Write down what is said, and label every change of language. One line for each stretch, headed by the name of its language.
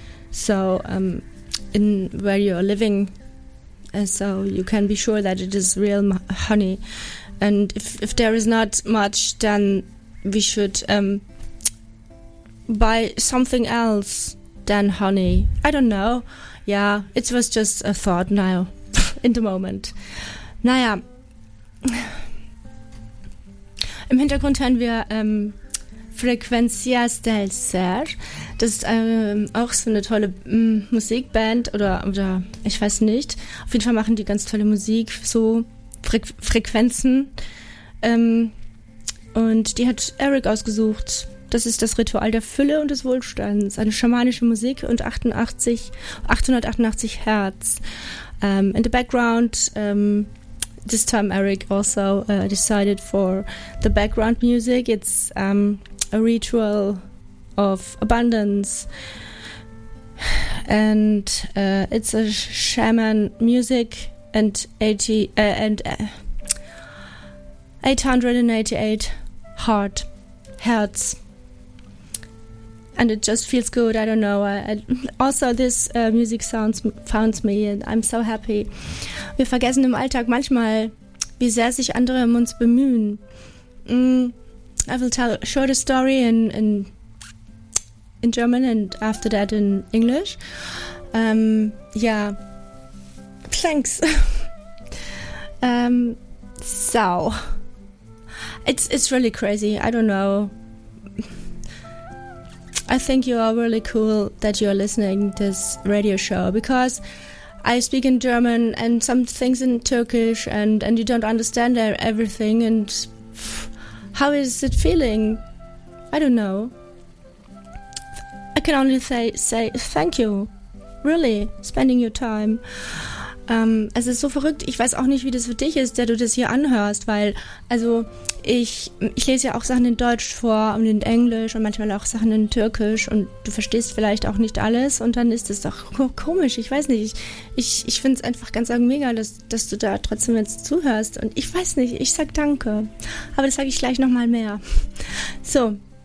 English: So, in where you're living. So you can be sure that it is real honey. And if there is not much, then we should buy something else than honey. I don't know. Yeah, it was just a thought now. In the moment.
German: Naja. Im Hintergrund hören wir Frecuencias del Ser. Das ist auch so eine tolle Musikband oder ich weiß nicht. Auf jeden Fall machen die ganz tolle Musik, so Frequenzen. Und die hat Eric ausgesucht. Das ist das Ritual der Fülle und des Wohlstands. Eine schamanische Musik und 888 Hertz.
English: In the background, this time Eric also decided for the background music. It's a ritual of abundance. And it's a shaman music and 888 hertz. And it just feels good. I don't know. Also, this music sounds me, and I'm so happy.
German: Wir vergessen im Alltag manchmal, wie sehr sich andere um uns bemühen.
English: I will tell a shorter story in German and after that in English. Yeah. Thanks. So, it's really crazy. I don't know. I think you are really cool that you are listening to this radio show, because I speak in German and some things in Turkish and you don't understand everything, and how is it feeling? I don't know. I can only say thank you, really, spending your time.
German: Es ist so verrückt, ich weiß auch nicht, wie das für dich ist, der du das hier anhörst, weil, also, ich lese ja auch Sachen in Deutsch vor und in Englisch und manchmal auch Sachen in Türkisch und du verstehst vielleicht auch nicht alles und dann ist es doch komisch, ich weiß nicht, ich finde es einfach ganz mega, dass du da trotzdem jetzt zuhörst und ich weiß nicht, ich sag danke, aber das sage ich gleich nochmal mehr. So.